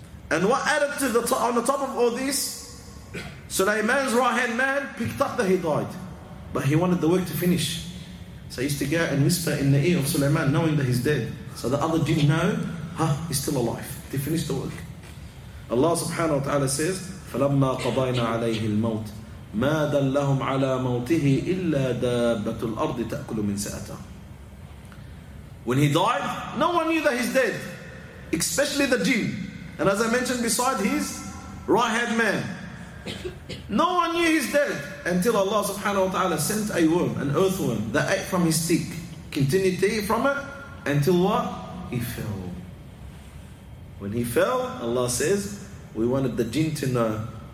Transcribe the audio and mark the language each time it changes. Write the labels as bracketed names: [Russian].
[English] And what added to the on the top of all this, Sulaiman's right-hand man picked up that he died. But he wanted the work to finish. So he used to go and whisper in the ear of Sulaiman, knowing that he's dead. So the other jinn know, he's still alive. They finished the work. Allah subhanahu wa ta'ala says, [Arabic] فَلَمَّا قَضَيْنَا عَلَيْهِ الْمَوْتِ مَا دَلَّهُمْ عَلَىٰ مَوْتِهِ إِلَّا دَابَّةُ الْأَرْضِ تَأْكُلُ مِنْ سَأَتَهُ. [English] When he died, no one knew that he's dead. Especially the jinn. And as I mentioned, beside his right-hand man. No one knew he's dead until Allah subhanahu wa ta'ala sent a worm, an earthworm, that ate from his stick. Continued to eat from it until what? He fell. When he fell, Allah says, we wanted the jinn to know.